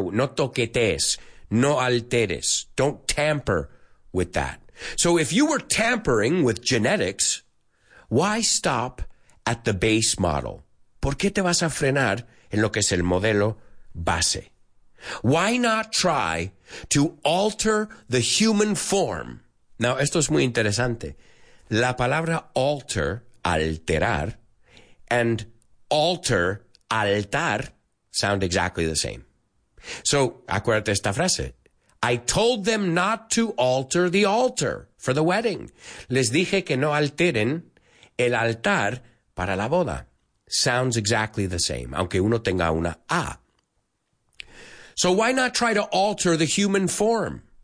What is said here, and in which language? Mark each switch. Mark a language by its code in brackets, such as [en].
[en] Don't tamper with that. So if you were tampering with genetics, why stop at the base model? [es] ¿Por qué te vas a frenar en lo que es el modelo base? [en] Why not try to alter the human form? Now, [es] esto es muy interesante. La palabra [en] alter, alterar, and alter, altar, sound exactly the same. [es] So, acuérdate esta frase. [en] I told them not to alter the altar for the wedding. [es] Les dije que no alteren el altar para la boda. [en] Sounds exactly the same, [es] aunque uno tenga una A. [en] So why not try to alter the human form?